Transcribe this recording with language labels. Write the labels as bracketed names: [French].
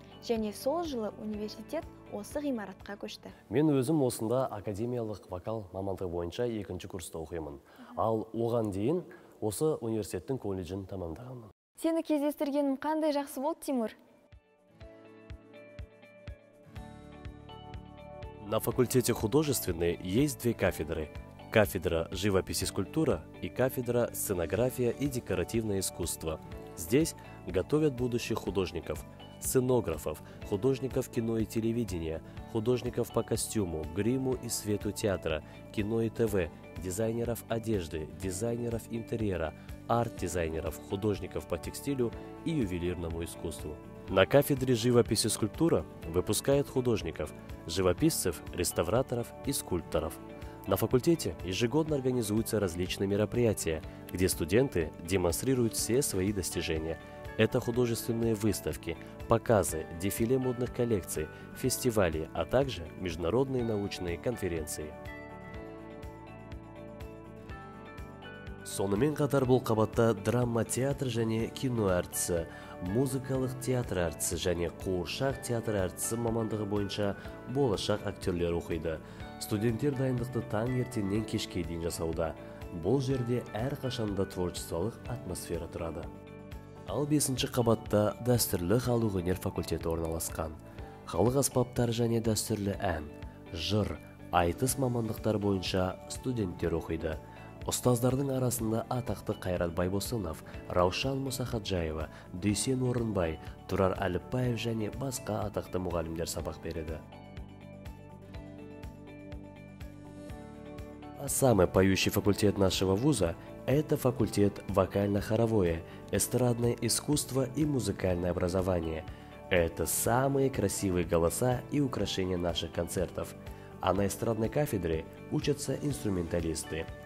[Kazakh] Және сол жылы университет осы ғимаратқа көшті. Мен өзім осында академиялық вокал мамандығы бойынша екінші курста оқимын. Ал оған дейін осы университеттің колледжін тамамдағанмын. Сені кездестіргенім қандай жақсы болды, Тимур. [Russian] На факультете художественной есть две кафедры – кафедра живописи и скульптура и кафедра сценография и декоративное искусство. Здесь готовят будущих художников, сценографов, художников кино и телевидения, художников по костюму, гриму и свету театра, кино и ТВ, дизайнеров одежды, дизайнеров интерьера, арт-дизайнеров, художников по текстилю и ювелирному искусству. На кафедре живописи и скульптура выпускают художников, живописцев, реставраторов и скульпторов. На факультете ежегодно организуются различные мероприятия, где студенты демонстрируют все свои достижения. Это художественные выставки, показы, дефиле модных коллекций, фестивали, а также международные научные конференции. [Kazakh] Сонымен қатар бұл қабатта драма театр және кино әртісі, музыкалық театр әртісі және қуыршақ театр әртісі мамандығы бойынша болашақ актерлер оқиды. Студенттер дайындықты таң ертеннен кешке дейін жасауда. Бұл жерде әр қашанда творчестволық атмосфера тұрады. Ал 5-ші қабатта дәстүрлі қалуғы нер факультеті орналасқан. Қалық аспаптар және дәстүрлі ән, жыр, айтыс мамандықтар бойынша студенттер оқиды. Ұстаздардың арасында атақты Қайрат Байбосынов, Раушан Мұсахаджаева, Дүйсен Орынбай, Тұрар Әліппаев және басқа атақты мұғалімдер сабақ береді. [Russian] А самый поющий факультет нашего вуза – это факультет вокально-хоровое, эстрадное искусство и музыкальное образование. Это самые красивые голоса и украшения наших концертов. А на эстрадной кафедре учатся инструменталисты.